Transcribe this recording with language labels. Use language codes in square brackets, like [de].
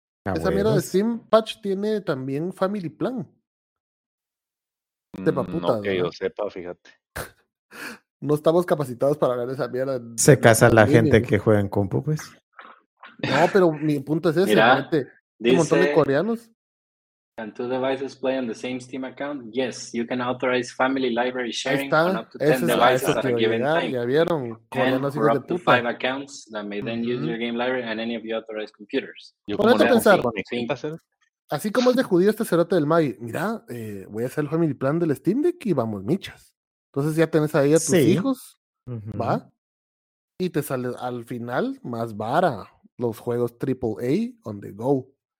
[es] Esa mierda de Steam Patch tiene también Family Plan. De paputa, no que ¿no? yo sepa, fíjate. No estamos capacitados para hablar de esa mierda. Se casa la gente que juega en compu, pues. No, pero mi punto es ese. Mira, gente, dice, un montón de coreanos. [en] Can two devices play on the same Steam account? Yes, you can authorize family library sharing on up to 10 devices at a given time. [es] Ya vieron. Coreanos hijos de puta. [en] 5 accounts that may then use your game library and any of the authorized computers. [es] Ponete a pensar. Así como es de judío este cerote del Mavi, mira, voy a hacer el family plan del Steam Deck y vamos, michas. Entonces ya tenés ahí a tus hijos, ¿va? Y te sale al final más vara los juegos AAA [en] on the go.